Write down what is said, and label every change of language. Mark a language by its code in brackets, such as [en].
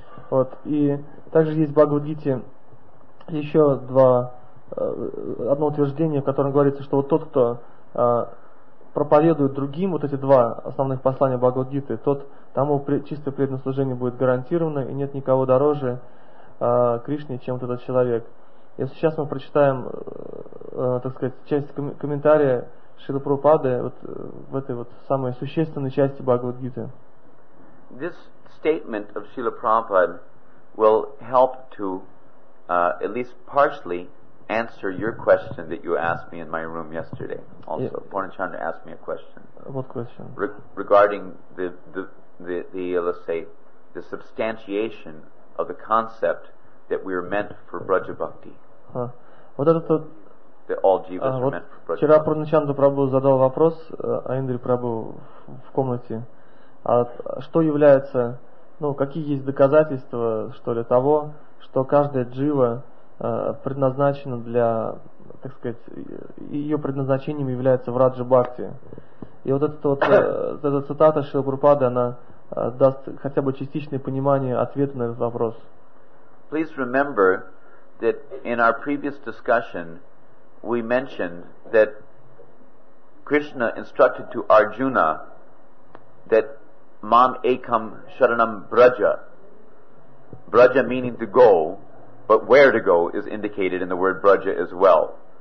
[ru] Вот, и также есть в Бхагавад-гите еще два, одно утверждение, в котором говорится, что вот тот, кто проповедует другим вот эти два основных послания Бхагавад-гиты, тот тому чистое преданное служение будет гарантировано, и нет никого дороже Кришне, чем вот этот человек. Если сейчас мы прочитаем, так сказать, часть комментария Шрилы Прабхупады вот в этой вот самой существенной части Бхагавад-гиты. [en] This statement of Srila Prabhupada will help to at least partially answer your question that you asked me in my room yesterday. Also, yeah. Purnachandra asked me a question. What question? Regarding the substantiation of the concept that we are meant for Braja Bhakti. [ru] Вот этот вот. [en] That all jivas are meant for Braja. [ru] Вчера Пурначанду Прабху задал вопрос о Индре Прабху в комнате. А что является, ну какие есть доказательства что ли того, что каждая джива предназначена для, так сказать, ее предназначением является в Раджа Бхакти. И вот этот вот эта цитата Шрилы Прабхупады, она даст хотя бы частичное понимание ответа на этот вопрос. [en] Please remember that in our previous discussion we mentioned that Krishna instructed to Arjuna that [sa] mam ekam sharanam braja. [en] Braja meaning to go, but where to go is indicated in the word braja as well.